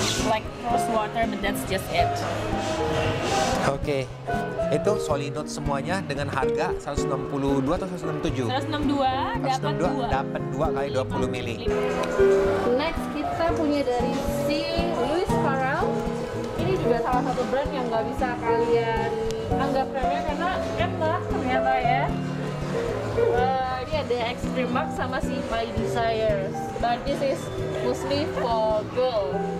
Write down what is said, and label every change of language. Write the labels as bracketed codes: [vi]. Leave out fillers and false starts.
[en] Like rose water, but that's just it. Oke, okay. [id] Itu solid note semuanya dengan harga 162 atau 167? 162, dapat 2 kali 20 mili. Next, kita punya dari si Louis Farrell. Ini juga salah satu brand yang nggak bisa kalian anggap remeh karena enak ternyata ya. Ini ada Extreme Mark sama si My Desires. [en] But this is mostly for girl.